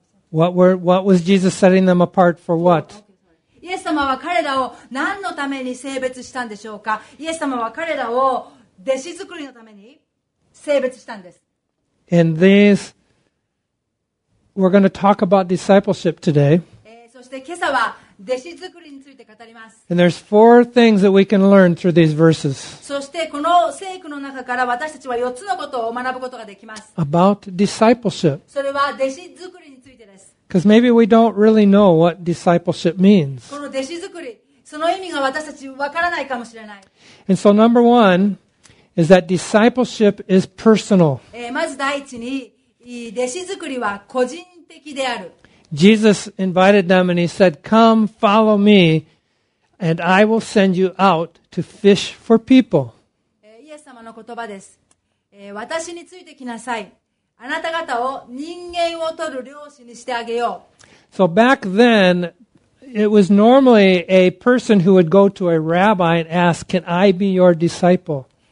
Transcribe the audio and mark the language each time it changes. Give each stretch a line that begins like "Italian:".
English: What was Jesus setting them apart for what?
Japanese: イエス様は彼らを何のために性別したんでしょうか。イエス様は彼らを弟子作りのために性別したんです。
English: And these, we're going to talk about discipleship today.
Japanese: そして今朝は弟子作りについて語ります。
English: And there's four things that we can learn through these verses.
Japanese: そしてこの聖句の中から私たちは4つのことを学ぶことができます。
English: About discipleship.
Japanese: それは弟子作りについてです。
English: Because maybe we don't really know what discipleship means.
Japanese: この弟子作り、その意味が私たちわからないかもしれない。
English: And so number one, is that discipleship is personal.
Japanese: まず第一に、弟子作りは個人的である。
English: Jesus invited them and he said, "Come, follow me, and I will send you out to fish for people."
Japanese: イエス様の言葉です。私についてきなさい。あなた方を人間を取る漁師にしてあげよう。
English: So back then, it was normally a person who would go to a rabbi and ask, "Can I be your disciple?"